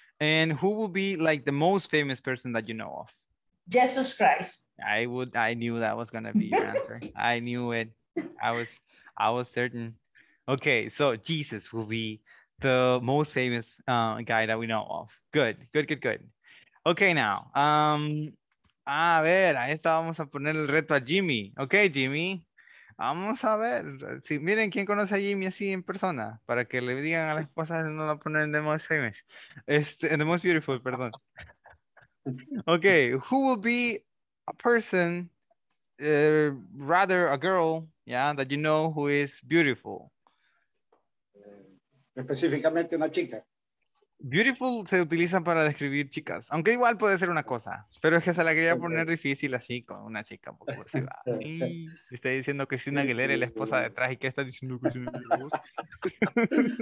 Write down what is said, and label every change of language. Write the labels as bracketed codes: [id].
[en] And who will be like the most famous person that you know of? Jesus Christ. I knew that was going to be your answer. I knew it. I was certain. Okay, so Jesus will be the most famous guy that we know of. Good. Okay, now. [es] A ver, ahí está, vamos a poner el reto a Jimmy. Okay, Jimmy. Vamos a ver. Sí, miren, ¿quién conoce a Jimmy así en persona? Para que le digan a la esposa si no la ponen [en] the most famous. The most beautiful, [es] perdón. [en] Okay, who will be a person, rather a girl, yeah, that you know who is beautiful? [es] Específicamente una chica. Beautiful se utiliza para describir chicas, aunque igual puede ser una cosa, pero es que se la quería poner difícil así con una chica. Y está diciendo Cristina Aguilera, la esposa detrás, y qué está diciendo Cristina Aguilera.